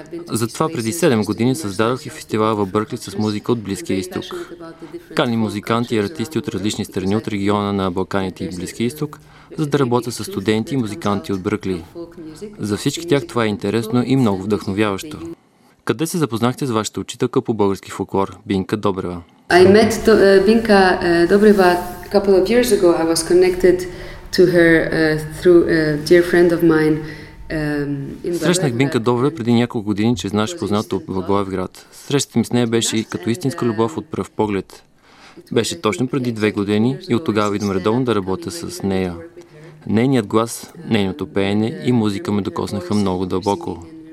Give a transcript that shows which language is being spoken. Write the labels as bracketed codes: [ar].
[bg] Затова преди 7 години създадох и фестивал в Бъркли с музика от Близкия изток. Каним музиканти и артисти от различни страни от региона на Балканите и Близкия изток, за да работят с студенти и музиканти от Бъркли. За всички тях това е интересно и много вдъхновяващо. Къде се запознахте с вашата учителка по български фолклор, Бинка Добрева? [en] I met Бинка Добрева a couple of years ago. I was connected to her through a dear friend of mine. [bg] Срещнах Бинка Добрева преди няколко години чрез наш познат от Благоевград. Срещата ми с нея беше като истинска любов от пръв поглед. Беше точно преди 2 години и от тогава идвам редовно да работя с нея. Нейният глас, нейното пеене и музика ме докоснаха много дълбоко.